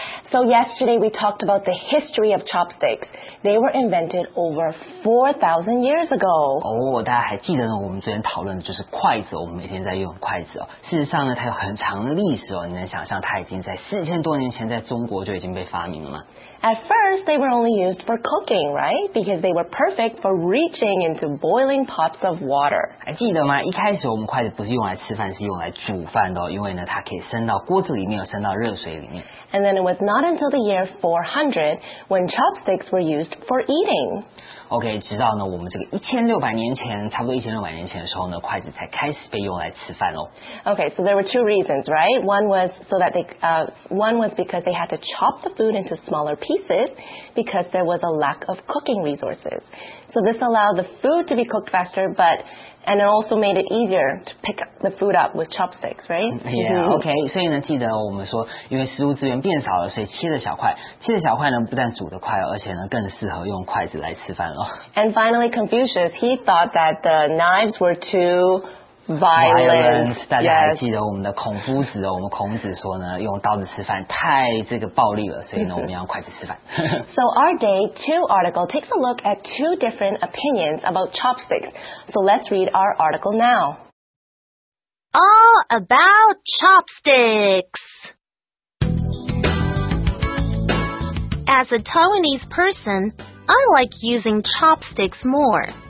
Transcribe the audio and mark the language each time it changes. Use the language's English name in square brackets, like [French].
[English] So yesterday we talked about the history of chopsticks. They were invented over 4,000 years ago. [Chinese] 大家还记得呢，我们昨天讨论的就是筷子，我们每天在用筷子哦。事实上呢，它有很长的历史哦，你能想象它已经在4000多年前在中国就已经被发明了吗？ [English] At first, they were only used for cooking, right? Because they were perfect for reaching into boiling pots of water. [Chinese] 还记得吗？一开始我们筷子不是用来吃饭，是用来煮饭的哦，因为呢，它可以伸到锅子里面，伸到热水里面。 [English] And then it was not until the year 400 when chopsticks were used for eating. [Chinese] Okay, 直到呢我们这个1600年前，差不多1600年前的时候呢，筷子才开始被用来吃饭哦。 [English] Okay, so there were two reasons, right? One was because they had to chop the food into smaller pieces because there was a lack of cooking resources. So this allowed the food to be cooked faster, and it also made it easier to pick the food up with chopsticks, right? Yeah, okay. [Chinese] 所以呢，记得我们说，因为食物资源变少了，所以切的小块呢，不但煮得快，而且呢，更适合用筷子来吃饭了。 [English] And finally, Confucius, he thought that the knives were too violent. [Chinese] 大家还记得我们的孔夫子哦？我们孔子说呢，用刀子吃饭太这个暴力了，所以呢，我们要用筷子吃饭。 [English] So our day two article takes a look at two different opinions about chopsticks. So let's read our article now. All about chopsticks. As a Taiwanese person, I like using chopsticks more.